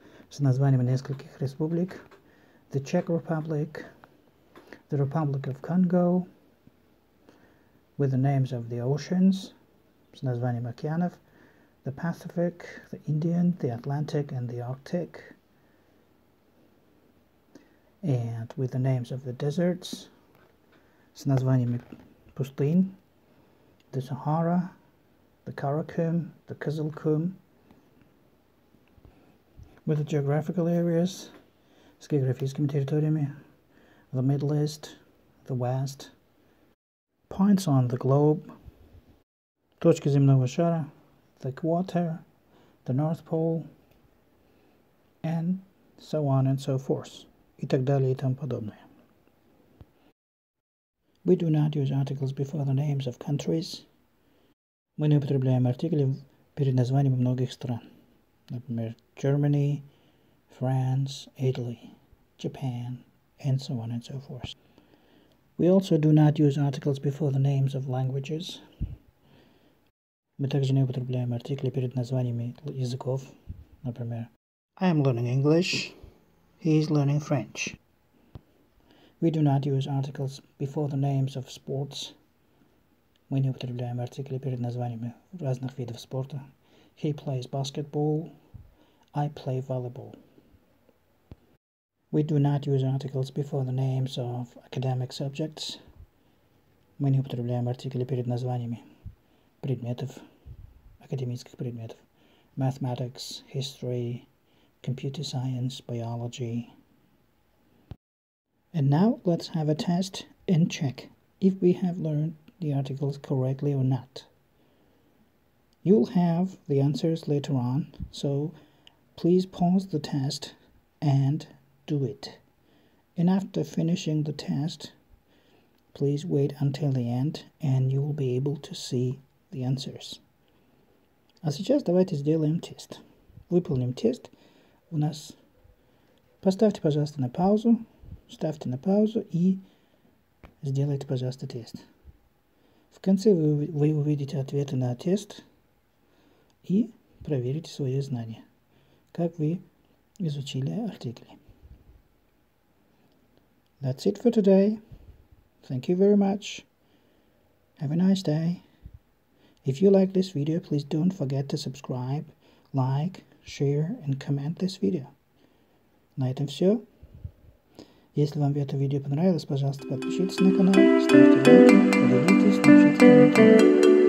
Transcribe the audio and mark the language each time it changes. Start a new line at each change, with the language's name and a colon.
Russian: с названиями нескольких республик,
English: the Czech Republic, the Republic of Congo, with the names of the oceans,
Russian: с названием океанов,
English: the Pacific, the Indian, the Atlantic, and the Arctic, and with the names of the deserts,
Russian: с названиями пустынь,
English: the Sahara, the Karakum, the Kızılkum, with the geographical areas,
Russian: с географическими территориями,
English: the Middle East, the West, points on the globe,
Russian: точки земного шара,
English: the equator, the North Pole, and so on and so forth,
Russian: и так далее и тому подобное.
English: We do not use articles before the names of countries.
Russian: Мы не употребляем артикли перед названиями многих стран. Например,
English: Germany, France, Italy, Japan, and so on and so forth. We also do not use articles before the names of languages.
Russian: Мы также не употребляем артикли перед названиями языков, например.
English: I am learning English. He is learning French. We do not use articles before the names of sports.
Russian: Мы не употребляем артикли перед названиями разных видов спорта.
English: He plays basketball. I play volleyball. We do not use articles before the names of academic subjects.
Russian: Мы не употребляем артикли перед названиями предметов, академических предметов.
English: Mathematics, history, computer science, biology. And now let's have a test and check if we have learned the articles correctly or not. You'll have the answers later on, so please pause the test and do it. And after finishing the test, please wait until the end and you will be able to see the answers.
Russian: А сейчас давайте сделаем тест. Выполним тест. У нас поставьте, пожалуйста, на паузу. Ставьте на паузу и сделайте, пожалуйста, тест. В конце вы увидите ответы на тест и проверите свои знания, как вы изучили артикли.
English: That's it for today. Thank you very much. Have a nice day. If you like this video, please don't forget to subscribe, like, share and comment this video.
Russian: На этом все. Если вам это видео понравилось, пожалуйста, подпишитесь на канал, ставьте лайки, поделитесь, напишите комментарии.